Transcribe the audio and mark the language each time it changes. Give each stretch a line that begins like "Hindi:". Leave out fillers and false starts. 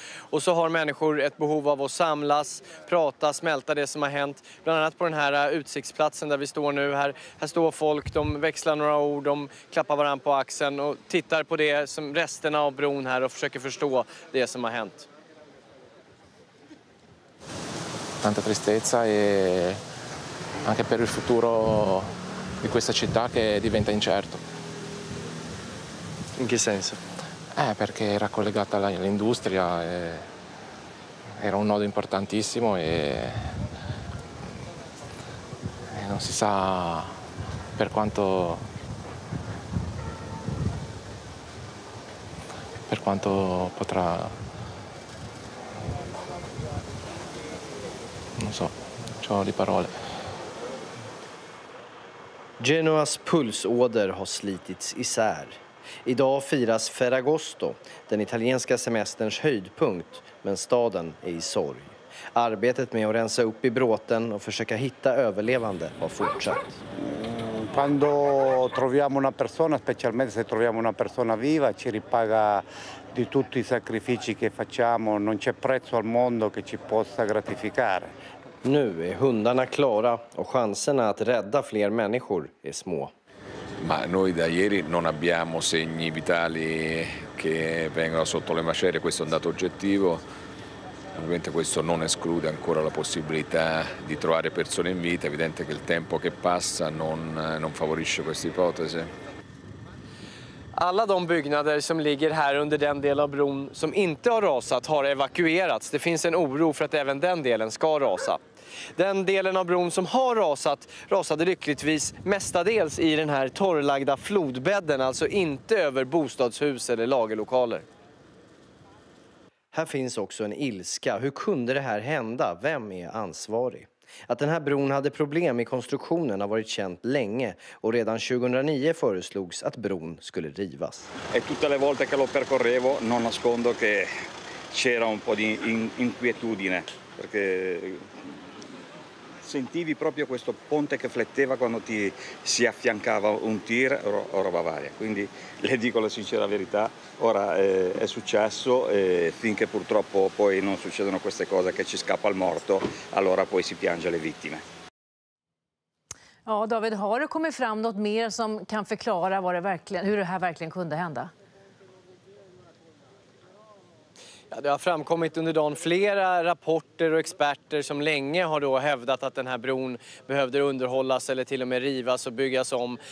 Swedish: Och så har människor ett behov av att samlas, prata, smälta det som har hänt. Bland annat på den här utsiktsplatsen där vi står nu. Här står folk, de växlar några ord, de klappar varandra på axeln och tittar på det som resterna av bron här och försöker förstå det som har hänt.
Italian: tanta tristezza e anche per il futuro di questa città che diventa incerto. In che senso? Perché era collegata all'industria, era un nodo importantissimo e non si sa per quanto potrà. Non so, c'ho di parole.
Swedish: Genoas pulsåder har slitits isär. Idag firas Ferragosto, den italienska semesterns höjdpunkt, men staden är i sorg. Arbetet med att rensa upp i bråten och försöka hitta överlevande har fortsatt.
Italian: Quando troviamo una persona, specialmente se troviamo una persona viva, ci ripaga di tutti i sacrifici che facciamo. Non c'è prezzo al mondo che ci possa gratificare.
Swedish: Nu är hundarna klara och chanserna att rädda fler människor är små.
Italian: Ma noi da ieri non abbiamo segni vitali che vengono sotto le macerie, questo è un dato oggettivo. Ovviamente questo non esclude ancora la possibilità di trovare persone in vita, è evidente che il tempo che passa non favorisce questa ipotesi.
Swedish: Alla de byggnader som ligger här under den del av bron som inte har rasat har evakuerats. Det finns en oro för att även den delen ska rasa. Den delen av bron som har rasat rasade lyckligtvis mestadels i den här torrlagda flodbädden, alltså inte över bostadshus eller lagerlokaler. Här finns också en ilska. Hur kunde det här hända? Vem är ansvarig? Att den här bron hade problem i konstruktionen har varit känt länge och redan 2009 föreslogs att bron skulle rivas.
Italian: E tutte le volte che lo percorrevo non nascondo che c'era un po' di inquietudine perché sentivi proprio questo ponte che fletteva quando ti si affiancava un tir o roba varia. Quindi le dico la sincera verità, ora è successo e finché purtroppo poi non succedono queste cose che ci scappa il morto, allora poi si piange le vittime.
Swedish: Ja, David, har det kommit fram något mer som kan förklara vad det verkligen, hur det här verkligen kunde hända? Det har framkommit under dagen flera rapporter och experter som länge har då hävdat att den här bron behövde underhållas eller till och med rivas och byggas om.